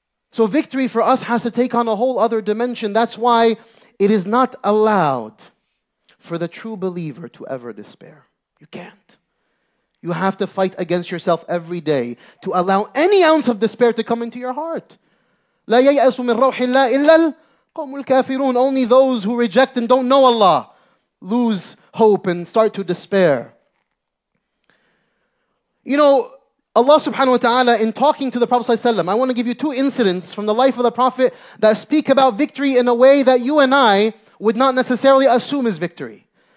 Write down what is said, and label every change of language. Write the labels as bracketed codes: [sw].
[en] So victory for us has to take on a whole other dimension. That's why it is not allowed for the true believer to ever despair. You can't. You have to fight against yourself every day to allow any ounce of despair to come into your heart. [ar] لا ييأس من روح الله إلا القوم الكافرون. [en] Only those who reject and don't know Allah lose hope and start to despair. You know, Allah subhanahu wa ta'ala, in talking to the Prophet sallallahu alayhi wa sallam, I want to give you two incidents from the life of the Prophet that speak about victory in a way that you and I would not necessarily assume is victory.